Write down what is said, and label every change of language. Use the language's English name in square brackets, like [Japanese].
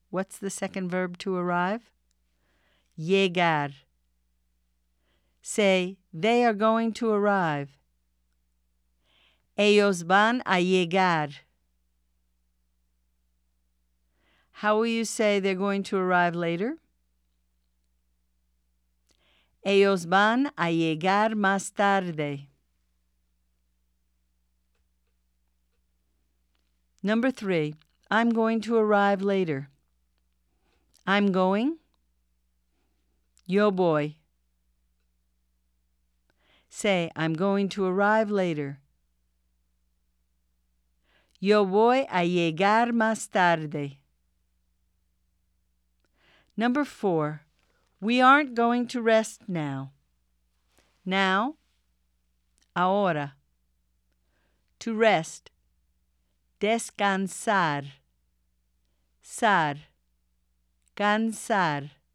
[English] What's the second verb to arrive? Llegar. Say, they are going to arrive. [Spanish] Ellos van a llegar. [English] How will you say they're going to arrive later? [Spanish] Ellos van a llegar más tarde. [English] Number 3. I'm going to arrive later. I'm going. [Spanish] Yo voy. [English] Say, I'm going to arrive later. [Spanish] Yo voy a llegar más tarde. [English] Number 4. We aren't going to rest now. Now, ahora. To rest. [Spanish] Descansar. Sar. Cansar.